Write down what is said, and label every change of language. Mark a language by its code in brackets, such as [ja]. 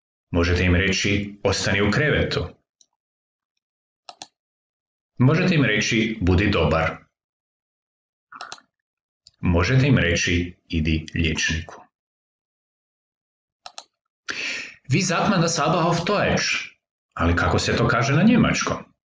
[hr] Možete im reći ostani u krevetu. Možete im reći budi dobar. Možete im reći idi liječniku. [de] Wie sagt man das aber auf Deutsch? [hr] Ali kako se to kaže na njemačkom?